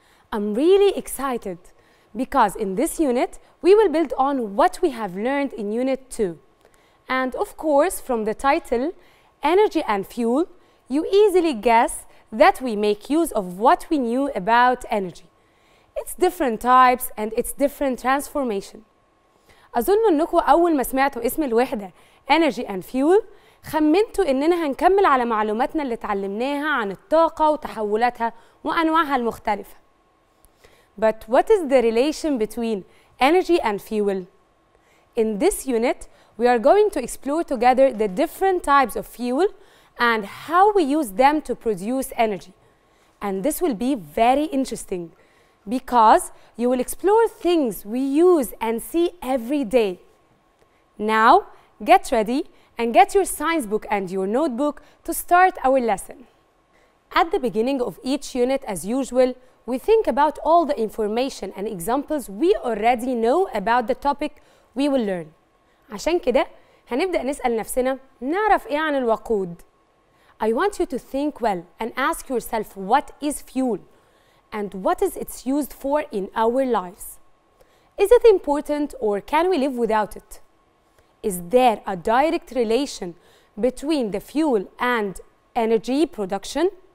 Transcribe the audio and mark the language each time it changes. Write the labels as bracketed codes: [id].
[en] I'm really excited because in this unit, we will build on what we have learned in Unit 2. And of course, from the title, Energy and Fuel, you easily guess that we make use of what we knew about energy. It's different types and it's different transformation. [ar] أظن أنكم أول ما سمعتوا اسم الوحدة Energy and Fuel خمنتوا أننا هنكمل على معلوماتنا اللي تعلمناها عن الطاقة وتحولاتها وأنواعها المختلفة. [en] But what is the relation between energy and fuel? In this unit, we are going to explore together the different types of fuel and how we use them to produce energy. And this will be very interesting because you will explore things we use and see every day. Now, get ready and get your science book and your notebook to start our lesson. At the beginning of each unit, as usual, we think about all the information and examples we already know about the topic we will learn. [ar] عشان كده هنبدأ نسأل نفسنا نعرف إيه عن الوقود. [en] I want you to think well and ask yourself what is fuel and what is it used for in our lives? Is it important or can we live without it? Is there a direct relation between the fuel and energy production?